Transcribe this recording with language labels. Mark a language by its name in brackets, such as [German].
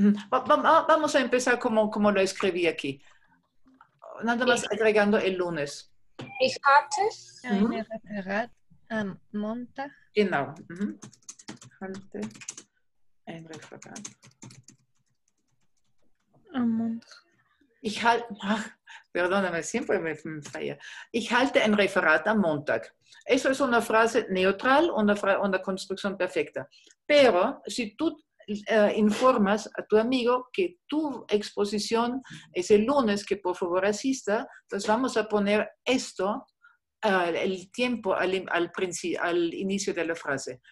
[Spanish] Vamos a empezar como lo escribí aquí. Nada más agregando el lunes. [German] Ich hatte eine Referat am Montag. Genau. Ich hatte ein Referat am Montag. [Spanish] Perdóname, siempre me falla. [German] Ich halte ein Referat am Montag. [Spanish] Eso es una frase neutral, una construcción perfecta. Pero si tú informas a tu amigo que tu exposición es el lunes, que por favor asista, entonces vamos a poner esto, el tiempo al inicio de la frase.